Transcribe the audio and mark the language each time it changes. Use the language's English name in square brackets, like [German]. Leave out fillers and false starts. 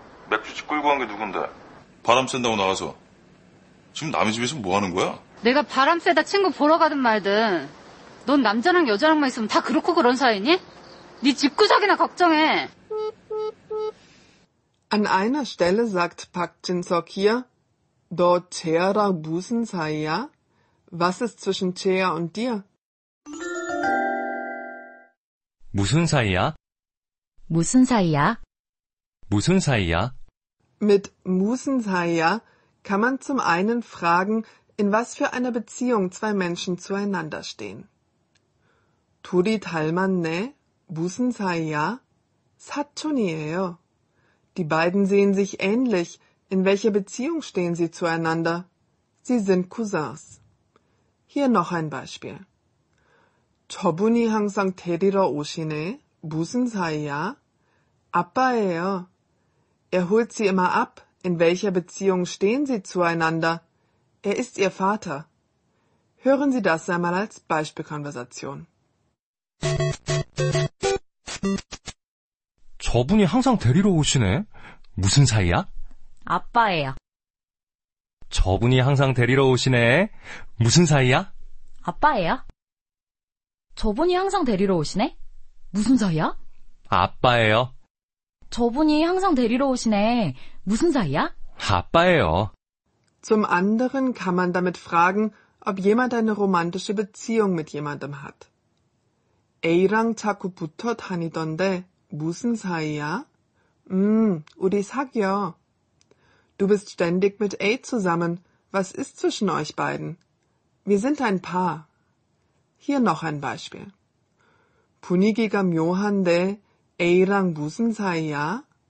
[Korean] 맥주 찌꿀고 한 게 누군데? 바람 쐰다고 나가서. 지금 남의 집에서 뭐 하는 거야? 내가 바람 쐬다 친구 보러 가든 말든 넌 남자랑 여자랑만 있으면 다 그렇고 그런 사이니? 네 집구석이나 걱정해. [German] An einer Stelle sagt Park Jin-seok hier, [Korean] 너 재아랑 무슨 사이야? [German] Was ist zwischen 재아 und dir? [Korean] 무슨 사이야? 무슨 사이야? 무슨 사이야? [German] Mit [Korean] "무슨 사이야" [German] kann man zum einen fragen, in was für einer Beziehung zwei Menschen zueinander stehen. [Korean] 둘이 닮았네. 무슨 사이야? 사촌이에요. [German] Die beiden sehen sich ähnlich. In welcher Beziehung stehen sie zueinander? Sie sind Cousins. Hier noch ein Beispiel. [Korean] 저분이 항상 데리러 오시네. 무슨 사이야? 아빠예요. [German] Er holt sie immer ab. In welcher Beziehung stehen sie zueinander? Er ist ihr Vater. Hören Sie das einmal als Beispielkonversation. [Korean] 저분이 항상 데리러 오시네. 무슨 사이야? 아빠예요. 저분이 항상 데리러 오시네. 무슨 사이야? 아빠예요. 저분이 항상 데리러 오시네. 무슨 사이야? 아빠예요. 저분이 항상 데리러 오시네. 무슨 사이야? 아빠예요. [German] Zum anderen kann man damit fragen, ob jemand eine romantische Beziehung mit jemandem hat. [Korean] A랑 자꾸 붙어 다니던데 무슨 사이야? 우리 사귀어. [German] Du bist ständig mit A zusammen. Was ist zwischen euch beiden? Wir sind ein Paar. Hier noch ein Beispiel. [Korean] 분위기가 묘한데 A랑 무슨 사이야?